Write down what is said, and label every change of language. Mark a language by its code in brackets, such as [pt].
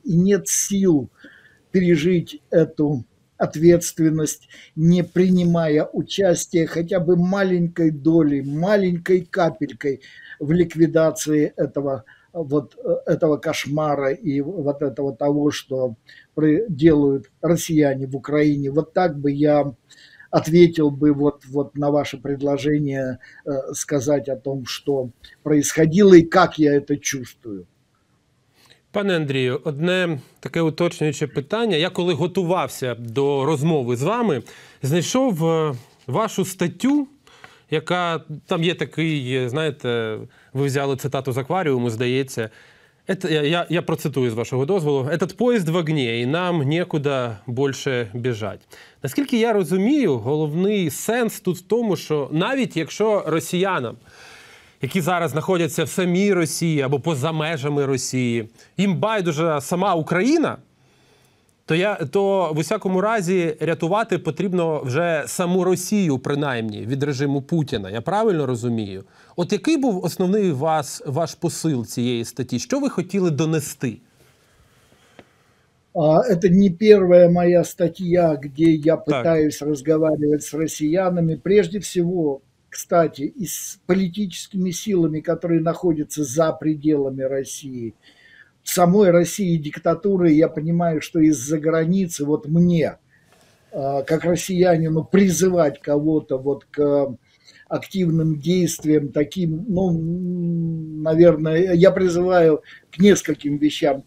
[ru] И нет сил пережить эту ответственность, не принимая участия хотя бы маленькой доли, маленькой капелькой в ликвидации этого вот этого кошмара и вот этого того, что делают россияне в Украине. Вот так бы я ответил бы вот на ваше предложение сказать о том, что происходило и как я это чувствую. [uk] Пане Андрію, одне таке уточнююче питання. Я коли готувався до розмови з вами, знайшов вашу статтю, яка там є такий, знаєте, ви взяли цитату з акваріуму, здається. Я процитую з вашого дозволу. «Этот поезд в огні, і нам нікуди більше біжати». Наскільки я розумію, головний сенс тут в тому, що навіть якщо росіянам, які зараз знаходяться в самій Росії або поза межами Росії, їм байдуже сама Україна, то в усякому разі рятувати потрібно вже саму Росію, принаймні, від режиму Путіна. Я правильно розумію? От який був основний ваш посил цієї статті? Що ви хотіли донести? [ru] Это не первая моя статья, где я пытаюсь так разговаривать с россиянами. Прежде всего, кстати, и с политическими силами, которые находятся за пределами России. В самой России диктатуры, я понимаю, что из-за границы вот мне, как россиянину, призывать кого-то вот к активным действиям таким, ну, наверное, я призываю к нескольким вещам.